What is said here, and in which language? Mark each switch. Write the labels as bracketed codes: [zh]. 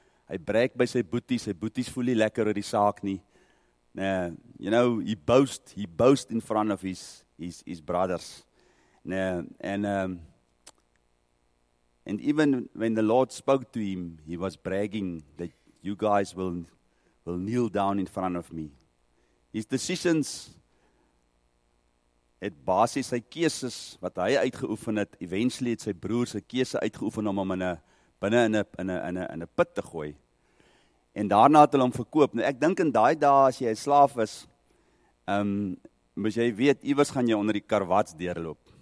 [af] Hy breek by sy boeties voel nie lekker oor die saak nie. [en] You know, he boast in front of his brothers. And even when the Lord spoke to him, he was bragging that you guys will kneel down in front of me. His decisions [af] het basis sy keuses wat hy uitgeoefen het, eventually het sy broers sy keuse uitgeoefen om hom in 'n put te gooi. En daarna het hulle hom verkoop. Nou ek dink in daai dae as jy 'n slaaf is, moes jy weet iewers gaan jy onder die karwats deurloop.